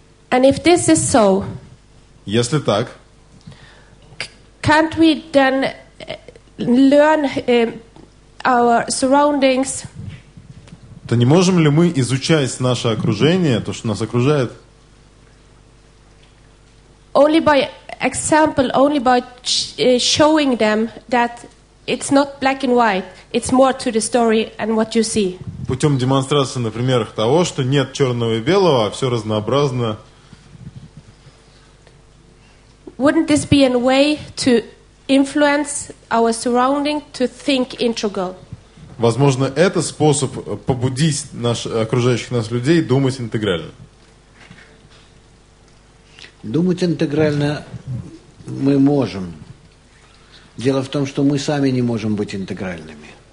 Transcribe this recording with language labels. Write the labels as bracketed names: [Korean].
[English] And if this is so. [Russian] Если так. [English] Can't we then learn our surroundings? [Russian] То не можем ли мы изучать наше окружение, то, что нас окружает? [English] Only by example, only by showing them that it's not black and white. It's more to the story and what you see. [Russian] Путем демонстрации на примерах того, что нет черного и белого, а все разнообразно. [English] Wouldn't this be a way to influence our surrounding to think integral? [Russian] Возможно, это способ побудить окружающих нас людей думать интегрально. Думать интегрально мы можем. Дело в том, что мы сами не можем быть интегральными.